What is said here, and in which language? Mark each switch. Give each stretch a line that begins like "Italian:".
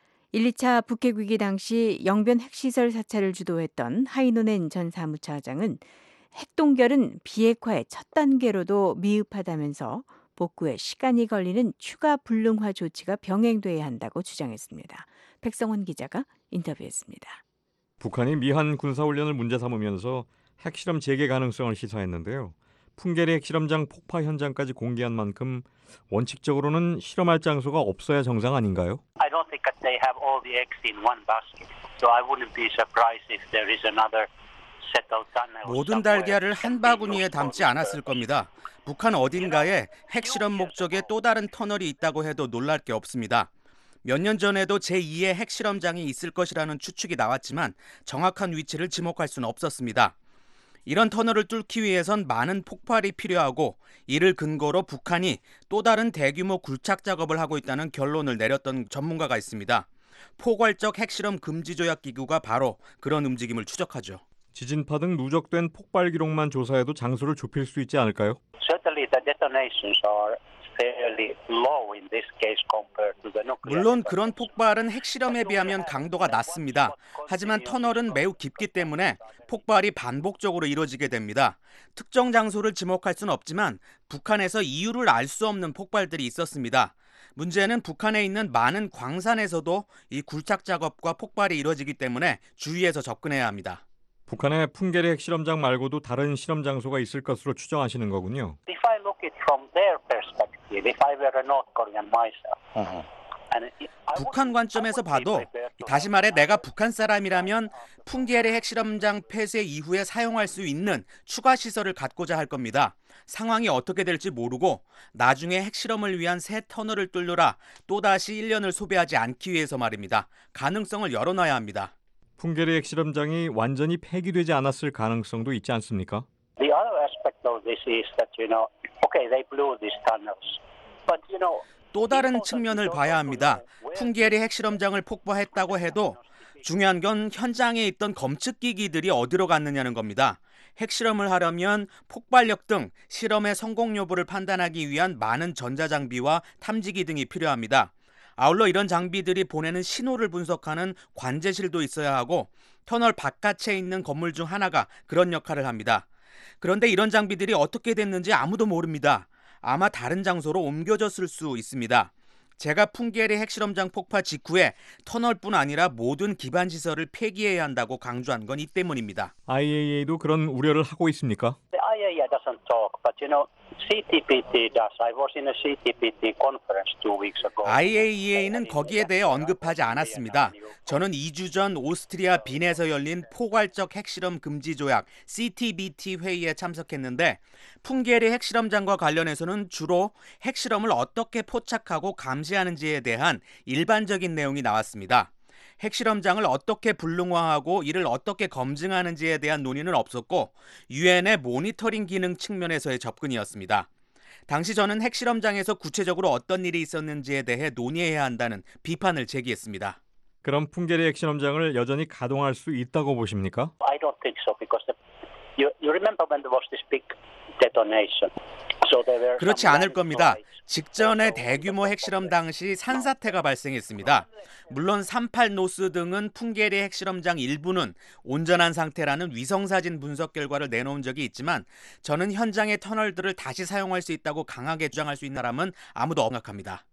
Korean: 1, 2차 북핵 위기 당시 영변 핵시설 사찰을 주도했던 하이노넨 전 사무차장은 핵동결은 비핵화의 첫 단계로도 미흡하다면서 복구에 시간이 걸리는 추가 불능화 조치가 병행돼야 한다고 주장했습니다. 백성원 기자가 인터뷰했습니다. 북한이 미한 군사훈련을 문제 삼으면서 핵실험 재개 가능성을 시사했는데요. 풍계리 핵실험장 폭파 현장까지 공개한 만큼 원칙적으로는 실험할 장소가 없어야 정상 아닌가요?
English: I don't think that they have all the eggs in one basket. So I wouldn't be surprised if there is another set of tunnels.
Korean: 모든 달걀을 한 바구니에 담지 않았을 겁니다. 북한 어딘가에 핵실험 목적의 또 다른 터널이 있다고 해도 놀랄 게 없습니다. 몇 년 전에도 제2의 핵실험장이 있을 것이라는 추측이 나왔지만 정확한 위치를 지목할 수는 없었습니다. 이런 터널을 뚫기 위해선 많은 폭발이 필요하고 이를 근거로 북한이 또 다른 대규모 굴착 작업을 하고 있다는 결론을 내렸던 전문가가 있습니다. 포괄적 핵실험 금지 조약 기구가 바로 그런 움직임을 추적하죠. 지진파 등 누적된 폭발 기록만 조사해도 장소를 좁힐 수 있지 않을까요?
English: Certainly the detonations are fairly low in this case compared to the nuclear.
Korean: 물론 그런 폭발은 핵실험에 비하면 강도가 낮습니다. 하지만 터널은 매우 깊기 때문에 폭발이 반복적으로 이루어지게 됩니다. 특정 장소를 지목할 수는 없지만 북한에서 이유를 알 수 없는 폭발들이 있었습니다. 문제는 북한에 있는 많은 광산에서도 이 굴착 작업과 폭발이 이루어지기 때문에 주의해서 접근해야 합니다. 북한의 풍계리 핵실험장 말고도 다른 실험 장소가 있을 것으로 추정하시는 거군요.
English: If I look it from their perspective, if I were a North Korean myself.
Korean: 북한 관점에서 봐도 다시 말해 내가 북한 사람이라면 풍계리 핵실험장 폐쇄 이후에 사용할 수 있는 추가 시설을 갖고자 할 겁니다. 상황이 어떻게 될지 모르고 나중에 핵실험을 위한 새 터널을 뚫느라 또다시 1년을 소비하지 않기 위해서 말입니다. 가능성을 열어놔야 합니다. 풍계리 핵실험장이 완전히 폐기되지 않았을 가능성도 있지 않습니까?
English: The other aspect of this is that, you know, okay, they blew these tunnels. But, you know,
Korean: 또 다른 측면을 봐야 합니다. 풍계리 핵실험장을 폭파했다고 해도 중요한 건 현장에 있던 검측기기들이 어디로 갔느냐는 겁니다. 핵실험을 하려면 폭발력 등 실험의 성공 여부를 판단하기 위한 많은 전자장비와 탐지기 등이 필요합니다. 아울러 이런 장비들이 보내는 신호를 분석하는 관제실도 있어야 하고 터널 바깥에 있는 건물 중 하나가 그런 역할을 합니다. 그런데 이런 장비들이 어떻게 됐는지 아무도 모릅니다. 아마 다른 장소로 옮겨졌을 수 있습니다. 제가 풍계리 핵실험장 폭파 직후에 터널뿐 아니라 모든 기반 시설을 폐기해야 한다고 강조한 건 이 때문입니다. IAEA도 그런 우려를 하고 있습니까?
English: The IAEA doesn't talk, but you know, CTPT does. I was in a CTPT conference 2 weeks ago.
Korean: IAEA는 거기에 대해 언급하지 않았습니다. 저는 2주 전 오스트리아 빈에서 열린 포괄적 핵실험 금지 조약 CTBT 회의에 참석했는데 풍계리 핵실험장과 관련해서는 주로 핵실험을 어떻게 포착하고 감시하는지에 대한 일반적인 내용이 나왔습니다. 핵실험장을 어떻게 불능화하고 이를 어떻게 검증하는지에 대한 논의는 없었고 유엔의 모니터링 기능 측면에서의 접근이었습니다. 당시 저는 핵실험장에서 구체적으로 어떤 일이 있었는지에 대해 논의해야 한다는 비판을 제기했습니다. 그럼 풍계리 핵실험장을 여전히 가동할 수 있다고 보십니까?
English: I don't think so because you remember when there was this big detonation.
Korean: 그렇지 않을 겁니다. 직전에 대규모 핵실험 당시 산사태가 발생했습니다. 물론 38노스 등은 풍계리 핵실험장 일부는 온전한 상태라는 위성사진 분석 결과를 내놓은 적이 있지만 저는 현장의 터널들을 다시 사용할 수 있다고 강하게 주장할 수 있는 사람은 아무도 없습니다.